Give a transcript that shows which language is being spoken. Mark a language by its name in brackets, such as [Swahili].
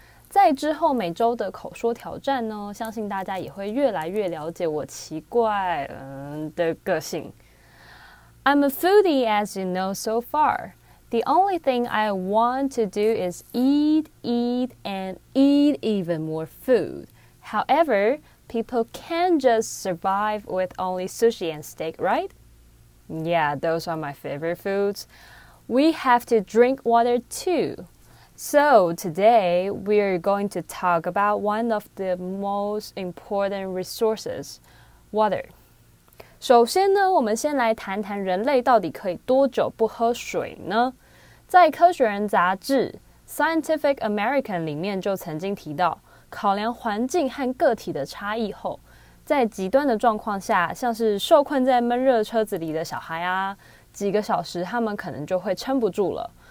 [Chinese] 在之后每周的口说挑战呢，相信大家也会越来越了解我奇怪的个性。 [English] I'm a foodie, as you know so far. The only thing I want to do is eat, eat, and eat even more food. However, people can't just survive with only sushi and steak, right? Yeah, those are my favorite foods. We have to drink water too. So, today, we're going to talk about one of the most important resources, water. [Chinese] 首先呢，我们先来谈谈人类到底可以多久不喝水呢？在科学人杂志 Scientific American 里面就曾经提到，考量环境和个体的差异后，在极端的状况下，像是受困在闷热车子里的小孩啊，几个小时他们可能就会撑不住了。